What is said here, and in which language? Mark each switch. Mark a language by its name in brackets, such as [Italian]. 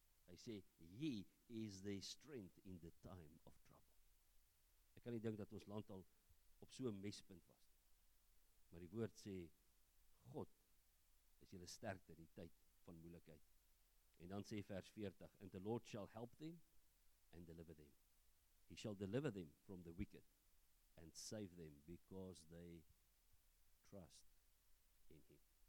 [Afrikaans] Hy sê, [English] he is the strength in the time of trouble. [Afrikaans] Ek kan nie dink dat ons land al op so 'n mespunt was. Maar die woord sê, God is julle sterkte in die tyd van moeilikheid. En dan sê vers 40, [English] and the Lord shall help them and deliver them. He shall deliver them from the wicked and save them because they trust in him.